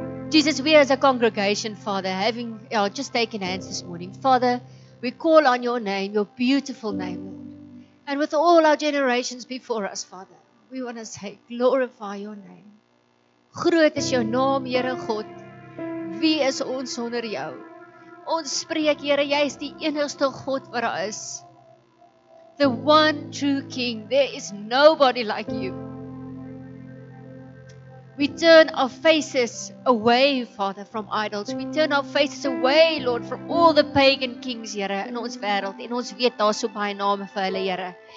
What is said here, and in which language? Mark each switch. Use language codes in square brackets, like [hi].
[en] Jesus, we as a congregation, Father, having just taken hands this morning. Father, we call on your name, your beautiful name, Lord. And with all our generations before us, Father, we want to say glorify your name. [af] Groot is jou naam, Here God. Wie is ons sonder jou? Ons spreek, Here, jy is die enigste God wat daar is. [en] The one true King. There is nobody like you. We turn our faces away, Father, from idols. We turn our faces away, Lord, from all the pagan kings, [af] Here, in ons wêreld. En ons weet daar so baie name vir hulle, Here.